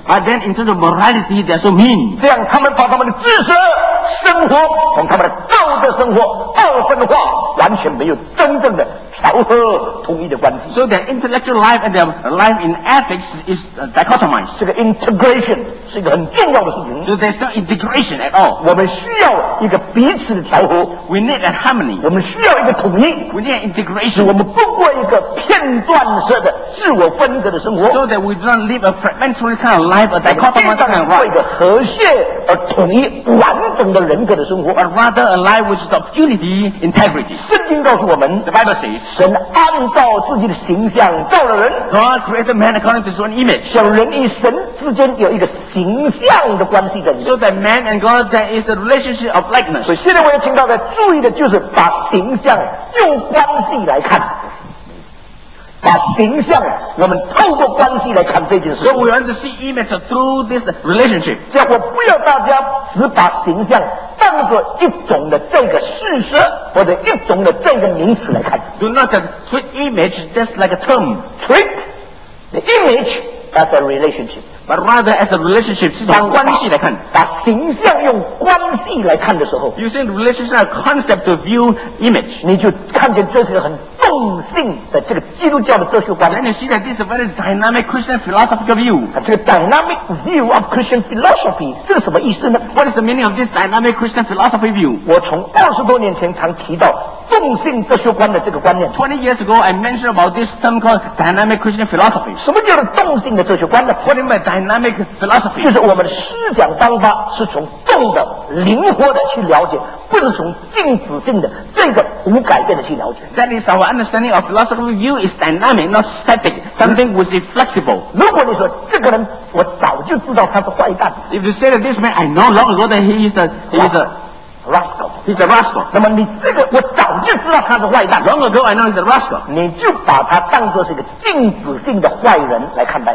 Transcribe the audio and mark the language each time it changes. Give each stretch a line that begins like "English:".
English: But then in terms of morality they are so mean
Chinese: 这样他们把他们的知识生活从他们的道德生活二分化完全没有真正的调和统一的关系
English: So their intellectual life and their life in ethics is dichotomized
Chinese: 这个 integration 是一个很重要的事情
English: So there's no integration at all
Chinese: 我们需要一个彼此的调和
English: We need a harmony
Chinese: 我们需要一个统一
English: We need an integration
Chinese: 我们不过一个片段式的自我分割的生活
English: So that we do not live a fragmentary kind of life a dichotomous kind of life
Chinese: 为了和谐而统一完整的人格的生活
English: But rather a life which is of unity integrity
Chinese: 圣经告诉我们
English: The Bible says
Chinese: 神按照自己的形象造了人
English: God created man according to his own image
Chinese: 像人与神之间有一个形象的关系在里面
English: So that man and God there is a relationship of likeness
Chinese: 所以现在我要请大家注意的就是把形象用关系来看把形象我们透过关系来看这件事
English: So we want to see image through this relationship
Chinese: 结果不要大家只把形象当作一种的这个事实或者一种的这个名词来看
English: Do not treat image just like a term Treat the image as a relationship. But rather as a relationship,
Chinese: 是从关系来看。把形象用关系来看的时候
English: ，using relationship as a concept to view image，
Chinese: 你就看见这是很中性的这个基督教的哲学观。
English: Then you see that this is a very dynamic Christian philosophical view.
Chinese: 这个
English: dynamic view of Christian philosophy
Chinese: 是什么意思呢
English: ？What is the meaning of this dynamic Christian philosophy view？
Chinese: 我从二十多年前常提到。重性哲学观的这个观念。
English: 20 years ago, I mentioned about this term called dynamic Christian philosophy.
Chinese: 什么叫做重性的哲学观呢
English: ？What is my dynamic philosophy?
Chinese: 就是我们的思想方法是从重的、灵活的去了解，不是从静止性的这个无改变的去了解。
English: That is our understanding of philosophical view is dynamic, not static. Something which is flexible.
Chinese: 如果你说这个人，我早就知道他是坏蛋。
English: If you say that this man, I know long ago that he is a Rascal. He's a rascal.
Chinese: 那么你这个我早就知道他是坏蛋。
English: Long ago, I know he's a rascal.
Chinese: 你就把他当作是一个静止性的坏人来看待。